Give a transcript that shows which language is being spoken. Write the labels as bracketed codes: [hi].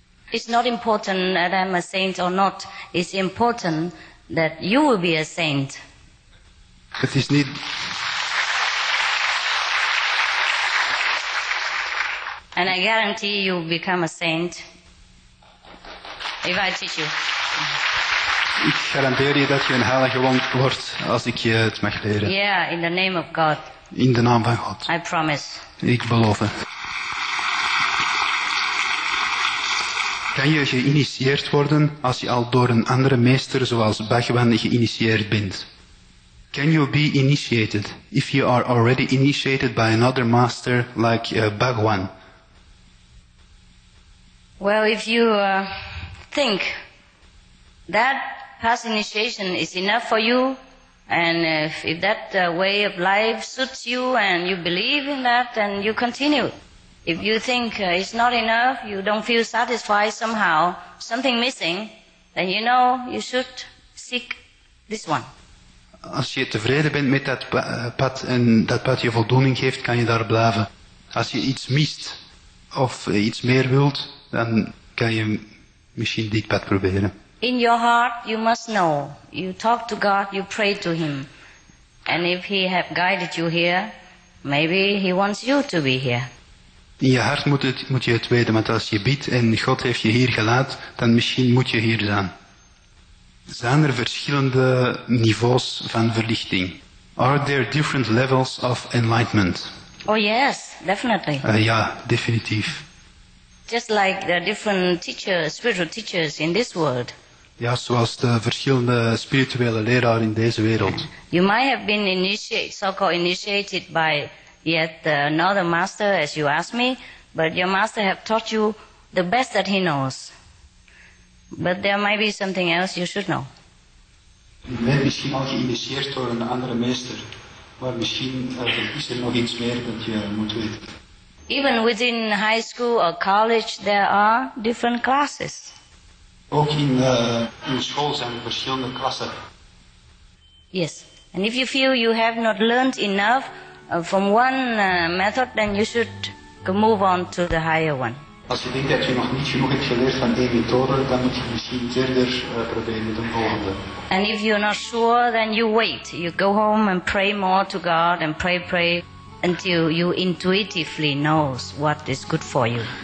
[en] It's not important that I'm a saint or not. It's important that you will be a saint. [nl] Het is niet... [en] And I guarantee you become a saint if I teach you. [nl] Ik garandeer je dat je een heilige wordt als ik je het mag leren. [en] Yeah, in the name of God. [nl] In de naam van God. [en] I promise. [nl] Ik beloof het. Kan je geïnitieerd worden als je al door een andere meester zoals Bhagavan geïnitieerd bent? [en] Can you be initiated if you are already initiated by another master like Bhagavan? Well, if you think that past initiation is enough for you, and if that way of life suits you and you believe in that, then you continue. If you think it's not enough, you don't feel satisfied somehow, something missing, then you know you should seek this one. [nl] Als je tevreden bent met dat pad en dat pad je voldoening geeft, kan je daar blijven. Als je iets mist of iets meer wilt, dan kan je misschien dit pad proberen. [en] In your heart, you must know. You talk to God, you pray to Him. And if He have guided you here, maybe He wants you to be here. [nl] In je hart moet je het weten, want als je bidt en God heeft je hier gelaat, dan misschien moet je hier zijn. Zijn er verschillende niveaus van verlichting? [en] Are there different levels of enlightenment? Oh yes, definitely. [nl] Ja, definitief. [en] Just like the different teachers, spiritual teachers in this world. [nl] Ja, zoals de verschillende spirituele leraar in deze wereld. [en] You might have been so-called initiated by yet another master, as you asked me, but your master have taught you the best that he knows. But there might be something else you should know. [nl] Je bent misschien al geïnitieerd door een andere meester, maar misschien is er nog iets meer dat je moet weten. [en] Even within high school or college, there are different classes. [nl] Ook in school zijn er verschillende klassen. [en] Yes. And if you feel you have not learned enough from one method, then you should move on to the higher one. [nl] Als je denkt dat je nog niet genoeg hebt geleerd van één methode, dan moet je misschien verder proberen met een volgende. [en] And if you're not sure, then you wait. You go home and pray more to God and pray until you intuitively knows what is good for you.